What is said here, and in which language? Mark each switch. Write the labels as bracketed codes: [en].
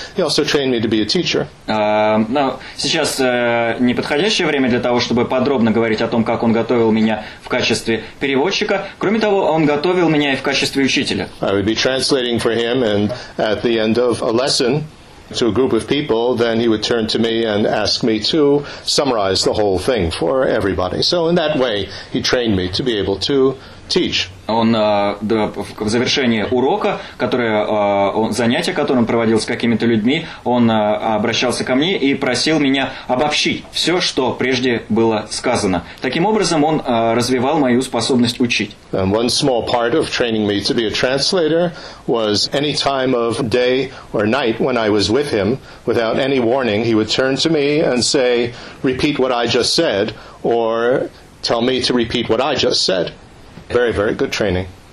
[en] He also trained me to be a teacher. [ru] Сейчас не подходящее время для того, чтобы подробно говорить о том, как он готовил меня в качестве переводчика. Кроме того, он готовил меня и в качестве учителя. [en] I would be translating for him, and at the end of a lesson to a group of people, then he would turn to me and ask me to summarize the whole thing for everybody. So in that way, he trained me to be able to teach. [ru] Он в завершении урока, занятия, которое он проводил с какими-то людьми, он обращался ко мне и просил меня обобщить все, что прежде было сказано. Таким образом, он развивал мою способность учить. [en] And one small part of training me to be a translator was any time of day or night when I was with him, without any warning, he would turn to me and say, repeat what I just said, or tell me to repeat what I just said. Very, very good training.